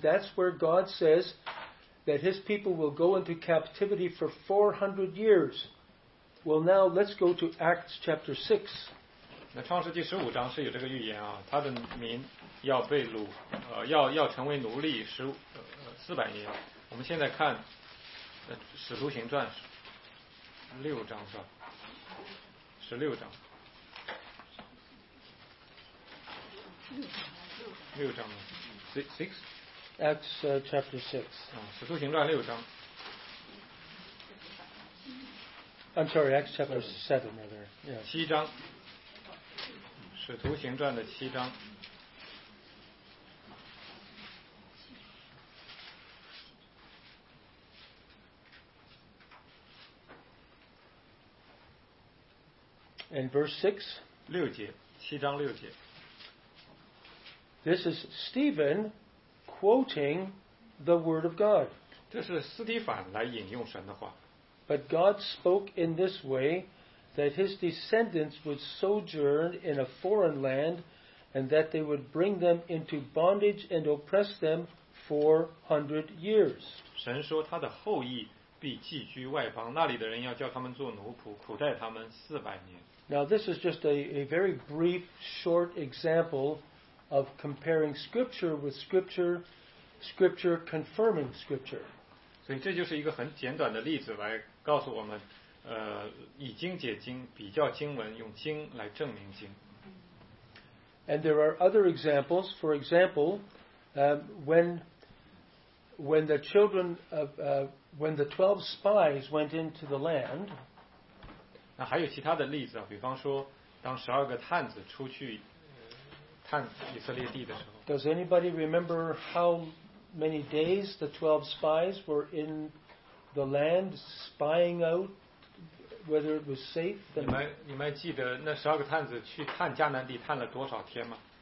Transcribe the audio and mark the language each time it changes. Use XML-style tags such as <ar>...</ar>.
<en>That's where God says that his people will go into captivity for 400 years. Well, now let's go to Acts chapter 6.</en> <zh>那创世纪十五章是有这个预言啊，他的民要被掳，要成为奴隶四百年。我们现在看使徒行传六章是吧？十六章。六章吗？</zh> <en>Acts chapter 6.</en> <zh>使徒行传六章。</zh> <en>I'm sorry, Acts chapter 7, rather.</en> <zh>七章。使徒行传的七章。</zh> <en>And verse 6.</en> <zh>六节，七章六节。</zh> <en>This is Stephen quoting the word of God.</en> <zh>这是斯提凡来引用神的话。</zh> <en>But God spoke in this way that his descendants would sojourn in a foreign land and that they would bring them into bondage and oppress them 400 years.</en> <zh>神说他的后裔必寄居外邦，那里的人要叫他们做奴仆，苦待他们四百年。</zh> <en>Now this is just a very brief, short example of comparing scripture with scripture, scripture confirming scripture.</en> <zh>所以这就是一个很简短的例子来告诉我们，以经解经，比较经文，用经来证明经。</zh> <en>And there are other examples. For example, when the 12 spies went into the land.</en> <zh>那还有其他的例子啊，比方说，当十二个探子出去。</zh> <en>Does anybody remember how many days the 12 spies were in the land spying out whether it was safe?</en> <zh>你们记得那十二个探子去探迦南地探了多少天吗？</zh>